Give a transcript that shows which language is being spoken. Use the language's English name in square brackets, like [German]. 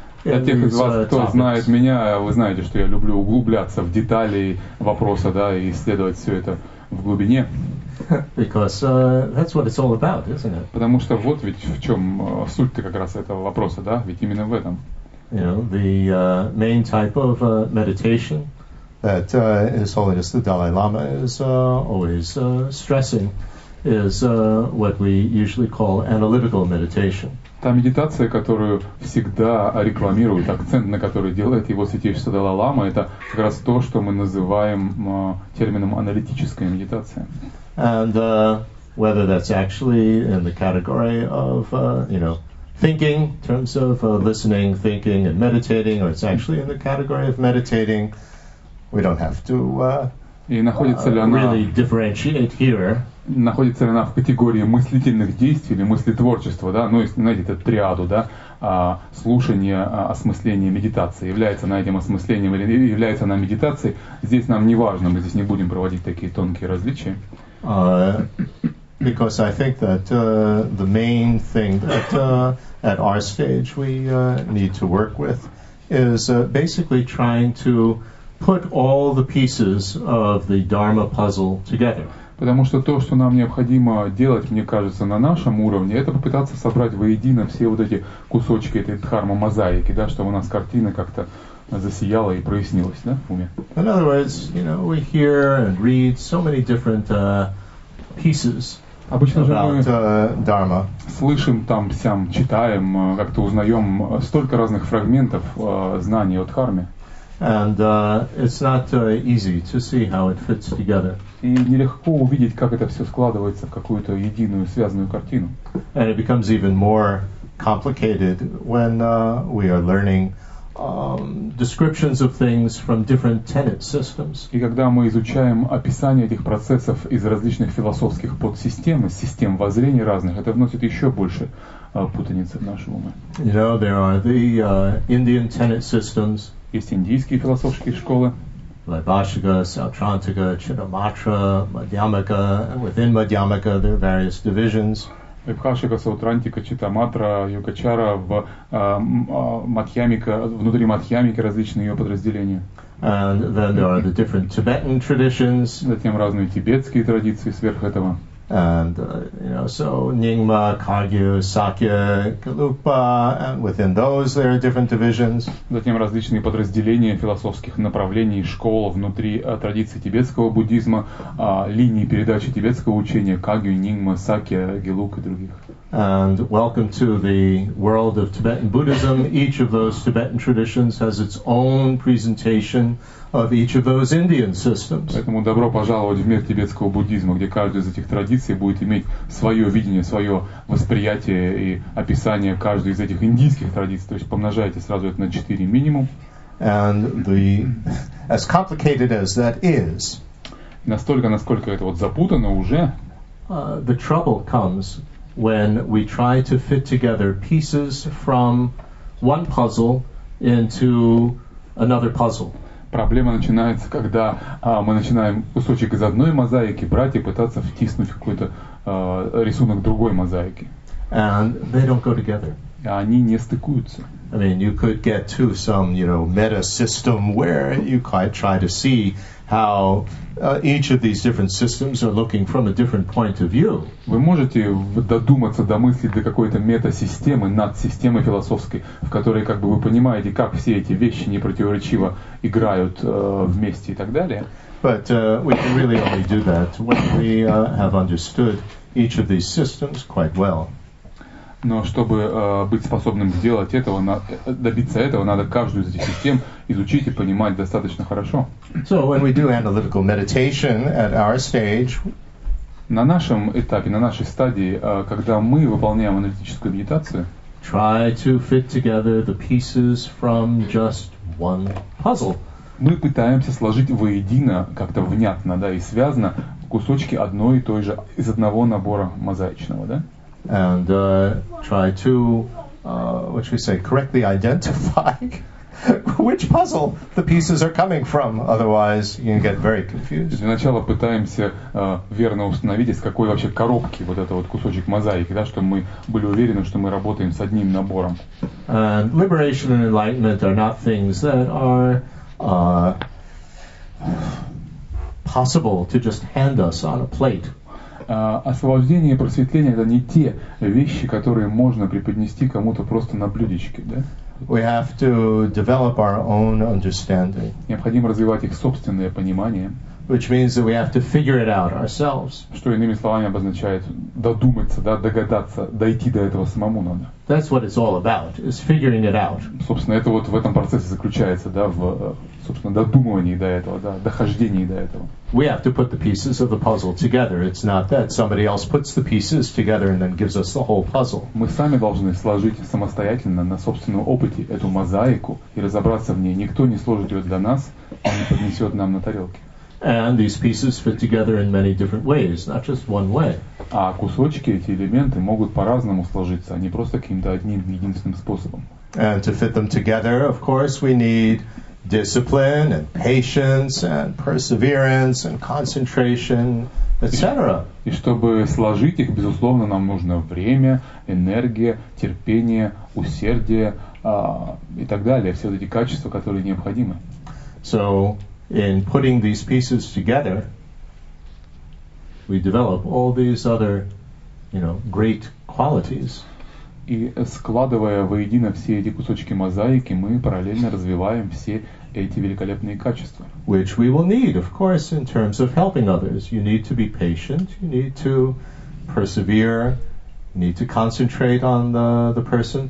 [Russian] Для тех из вас, кто знает меня, вы знаете, что я люблю углубляться в детали вопроса, да, и исследовать все это в глубине. [English] Because that's what it's all about, isn't it? [Russian] Потому что вот ведь в чем суть-то как раз этого вопроса, да, ведь именно в этом. [English] You know, the main type of meditation that His Holiness the Dalai Lama is always stressing is what we usually call analytical meditation. [Russian] Та медитация, которую всегда рекламируют, акцент на который делает его святейшество Далай-лама, это как раз то, что мы называем термином аналитическая медитация. [English] And whether that's actually in the category of, you know, thinking, in terms of listening, thinking, and meditating, or it's actually in the category of meditating, we don't have to really differentiate here. [Russian] Находится ли она в категории мыслительных действий или мыслетворчества, да, ну, знаете, это триаду, да, слушание, осмысление, медитации. Является она этим осмыслением или является она медитацией, здесь нам не важно, мы здесь не будем проводить такие тонкие различия. [English] Because I think that the main thing that at our stage we need to work with is basically trying to put all the pieces of the Dharma puzzle together. [Russian] Потому что то, что нам необходимо делать, мне кажется, на нашем уровне, это попытаться собрать воедино все вот эти кусочки этой дхарма-мозаики, да, чтобы у нас картина как-то засияла и прояснилась, да, в уме. [English] In other words, you know, we hear and read so many different pieces [Russian] Обычно же [English] about, [Russian] мы слышим там, сям, читаем, как-то узнаем столько разных фрагментов знаний о дхарме. [English] And it's not easy to see how it fits together. [Russian] И нелегко увидеть, как это все складывается в какую-то единую связанную картину. [English] And it becomes even more complicated when we are learning descriptions of things from different tenet systems. [Russian] И когда мы изучаем описание этих процессов из различных философских подсистем, из систем воззрений разных, это вносит еще больше путаницы в наши умы. [English] You know, there are the Indian tenet systems. [Russian] Есть индийские философские школы. [English] Vaibhashika, Sautrantika, Chittamatra, Madhyamaka, and within Madhyamaka there are various divisions. [Russian] Vaibhashika, Sautrantika, Chittamatra, Yogacara, в Madhyamika, внутри Madhyamika различные ее подразделения. [English] And then there are the different Tibetan traditions. [Russian] Затем разные тибетские традиции сверх этого. [English] And, you know, so Nyingma, Kagyu, Sakya, Kalupa, and within those there are different divisions. [Russian] Затем различные подразделения философских направлений, школ внутри традиции тибетского буддизма, линии передачи тибетского учения, Kagyu, Nyingma, Sakya, Geluk и других. [English] And welcome to the world of Tibetan Buddhism. Each of those Tibetan traditions has its own presentation of each of those Indian systems. [Russian] Поэтому добро пожаловать в мир тибетского буддизма, где каждая из этих традиций будет иметь свое видение, свое восприятие и описание каждой из этих индийских традиций. То есть помножайте сразу это на 4 минимум. [English] And the as complicated as that is. [Russian] Настолько, насколько это вот запутано уже. [English] The trouble comes when we try to fit together pieces from one puzzle into another puzzle. [Russian] Проблема начинается, когда мы начинаем кусочек из одной мозаики брать и пытаться втиснуть какой-то рисунок другой мозаики. [English] And they don't go together. [Russian] Они не стыкуются. [English] I mean, you could get to some, you know, meta system where you could try to see how each of these different systems are looking from a different point of view. [Russian] Вы можете додуматься, домыслить до какой-то мета-системы, надсистемы философской, в которой как бы вы понимаете, как все эти вещи непротиворечиво играют вместе и так далее. [English] But we can really only do that when we have understood each of these systems quite well. [Russian] Но чтобы быть способным сделать этого, добиться этого, надо каждую из этих систем изучить и понимать достаточно хорошо. [English] So when we do analytical meditation at our stage, [Russian] на нашем этапе, на нашей стадии, когда мы выполняем аналитическую медитацию, [English] try to fit together the pieces from just one puzzle. [Russian] Мы пытаемся сложить воедино, как-то внятно, да, и связано кусочки одной и той же из одного набора мозаичного, да? [English] And try to, what should we say, correctly identify which puzzle the pieces are coming from. Otherwise, you can get very confused. [Russian] Для начала пытаемся верно установить, из какой вообще коробки вот это вот кусочек мозаики, да, чтобы мы были уверены, что мы работаем с одним набором. [English] And liberation and enlightenment are not things that are possible to just hand us on a plate. [Russian] Освобождение и просветление — это не те вещи, которые можно преподнести кому-то просто на блюдечке, да? [English] We have to develop our own understanding. [Russian] Необходимо развивать их собственное понимание. [English] Which means that we have to figure it out ourselves. [Russian] Что иными словами обозначает додуматься, да, догадаться, дойти до этого самому надо. [English] That's what it's all about, is figuring it out. [Russian] Собственно, это вот в этом процессе заключается, да, в собственно додумывании до этого, да, дохождении до этого. [English] We have to put the pieces of the puzzle together. It's not that somebody else puts the pieces together and then gives us the whole puzzle. [Russian] Мы сами должны сложить самостоятельно на собственном опыте эту мозаику и разобраться в ней. Никто не сложит ее для нас, он не поднесет нам на тарелке. [English] And these pieces fit together in many different ways, not just one way. [Russian] А кусочки, эти элементы могут по-разному сложиться, а не просто каким-то одним единственным способом. [English] And to fit them together, of course, we need discipline and patience and perseverance and concentration, etc. [Russian] И чтобы сложить их, безусловно, нам нужно время, энергия, терпение, усердие и так далее. Все эти качества, которые необходимы. [English] So in putting these pieces together, we develop all these other, you know, great qualities. [Russian] И складывая воедино все эти кусочки мозаики, мы параллельно развиваем все эти великолепные качества. [English] Which we will need, of course, in terms of helping others. You need to be patient, you need to persevere, you need to concentrate on the person.